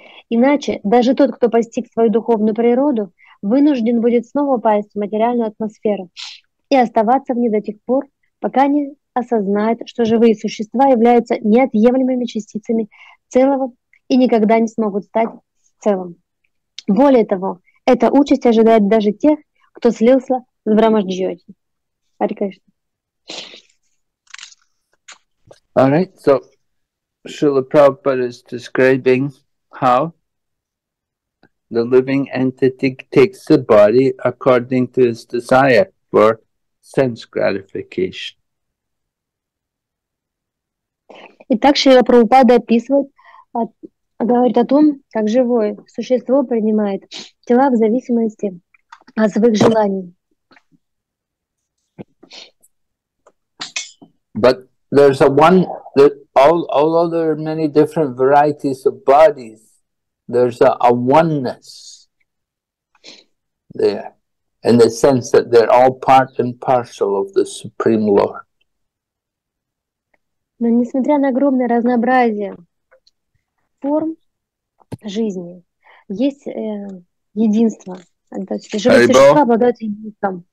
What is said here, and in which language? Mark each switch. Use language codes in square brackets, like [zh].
[ru] Иначе даже тот, кто постиг свою духовную природу, вынужден будет снова упасть в материальную атмосферу и оставаться в ней до тех пор, пока не осознает, что живые существа являются неотъемлемыми частицами целого и никогда не смогут стать целым. Более того, эта участь ожидает даже тех, кто слился с Брахмаджьоти. [sa] Hare Krishna. [en] All right, so Srila Prabhupada is describing how the living entity takes the body according to his desire for sense gratification. [ru] Итак, Шрила Прабхупада описывает, говорит о том, как живое существо принимает тела в зависимости от своих желаний. [en] But there's a one that although there are many different varieties of bodies, there's a oneness there, in the sense that they're all part and parcel of the Supreme Lord. [ru] Но несмотря на огромное разнообразие форм жизни, есть единство. То есть живые существа обладают единством.